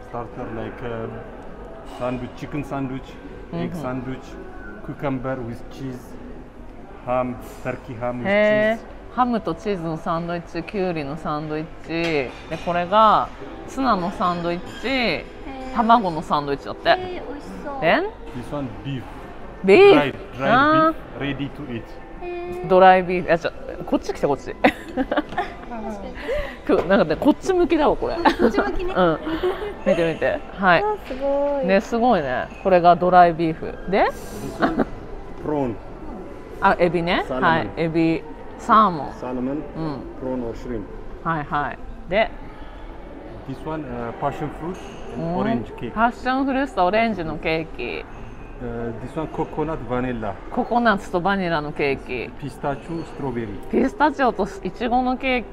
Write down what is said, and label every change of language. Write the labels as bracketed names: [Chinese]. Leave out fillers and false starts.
[English] Starter like sandwich, chicken sandwich, egg sandwich, cucumber with cheese, ham, turkey ham with cheese. [Japanese] ハムとチーズのサンドイッチ、キュウリのサンドイッチで、これがツナのサンドイッチ、卵のサンドイッチだって。へぇ、美味しそう。 [English] Then? This one beef. Beef? Dry, dry beef, ready to eat. [Japanese] ドライビーフ。いや、ちょ、こっち来て、こっち。なんかね、こっち向きだわ、これ。こっち向きね。うん、見て見て、はい。すごい。ね、すごいね。これがドライビーフ。で？ [English] プローン。 [Japanese] あ、エビね。はい、エビ。サーモン、サーモン、うん、 [English] プローンオーシュリンプ、 [Japanese] はいはい。で、 [English] This one, passion fruit and orange cake. [Japanese] パッションフルーツとオレンジのケーキ。 [English] This one, coconut vanilla. [Japanese] ココナッツとバニラのケーキ。 [English] ピスタチオ、ストロベリー。 [Japanese] ピスタチオとイチゴのケーキ。